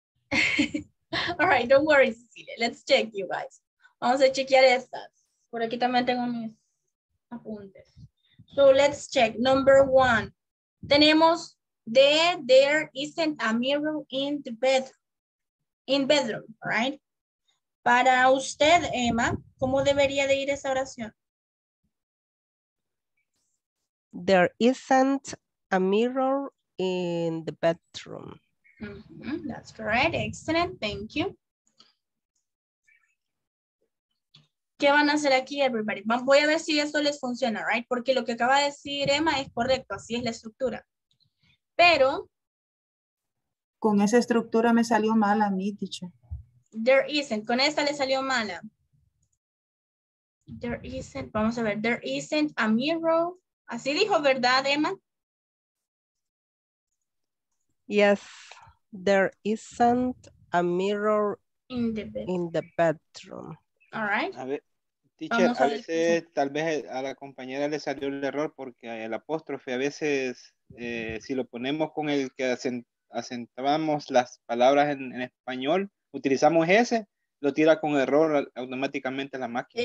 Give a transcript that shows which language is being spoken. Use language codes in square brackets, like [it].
[en] All right. Don't worry, Cecilia. Let's check, you guys. [es] Vamos a chequear estas. Por aquí también tengo mis apuntes. [en] So let's check. Number one. [es] Tenemos [en] there isn't a mirror in the bedroom. All right. [es] Para usted, Emma, ¿cómo debería de ir esa oración? [en] There isn't a mirror in the bedroom. Mm-hmm. That's correct. Excellent. Thank you. [es] ¿Qué van a hacer aquí, [en] everybody? [es] Voy a ver si eso les funciona, [en] right? [es] Porque lo que acaba de decir Emma es correcto. Así es la estructura. Pero. Con esa estructura me salió mal a mí, teacher. [en] There isn't. [es] Con esta le salió mala. [en] There isn't. [es] Vamos a ver. [en] There isn't a mirror. [es] Así dijo, ¿verdad, [en] Emma? Yes, there isn't a mirror in the bedroom. All right. [es] A ver, teacher, a veces tal vez a la compañera le salió el error porque el apóstrofe a veces, si lo ponemos con el que acentuamos las palabras en español, utilizamos ese, lo tira con error automáticamente la máquina.